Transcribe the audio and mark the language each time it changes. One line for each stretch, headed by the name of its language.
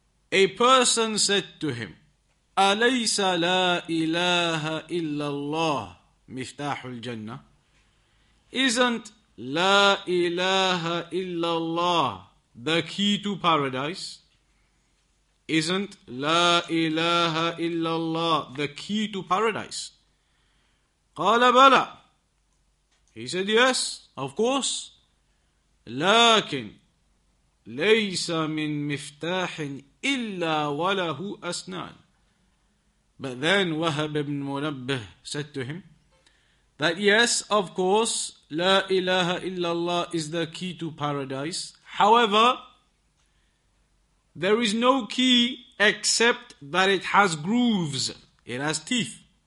Arabic: A person said to him, أليس لا إله إلا الله مفتاح الجنة؟
English: Isn't لا إله إلا الله the key to paradise? Isn't لا إله إلا الله the key to paradise?
Arabic: قال بلى.
English: He said yes, of course.
Arabic: لكن ليس من مفتاح إلا وله أسنان.
English: But then Wahab ibn Munabbih said to him that yes, of course, La ilaha illallah is the key to paradise. However, there is no key except that it has grooves. It has teeth.